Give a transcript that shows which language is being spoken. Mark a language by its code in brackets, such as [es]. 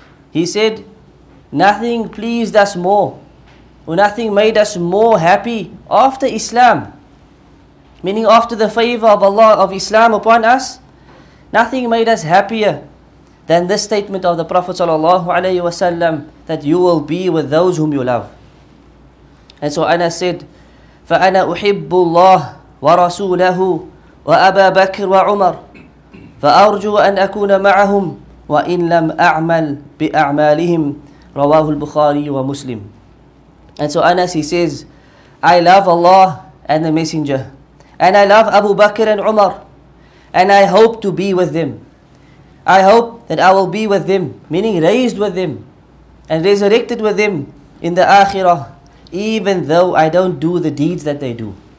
[en] He said, nothing pleased us more, or nothing made us more happy after Islam, meaning after the favor of Allah, of Islam upon us, nothing made us happier than this statement of the Prophet صلى الله عليه وسلم, that you will be with those whom you love. [ar] And so Anas said, فأنا أحب الله ورسوله وأبا بكر وعمر فأرجو أن أكون معهم وإن لم أعمل بأعمالهم رواه البخاري ومسلم. [en] And so Anas, he says, I love Allah and the Messenger, and I love Abu Bakr and Umar, and I hope to be with them. I hope that I will be with them, meaning raised with them and resurrected with them in the Akhirah, even though I don't do the deeds that they do.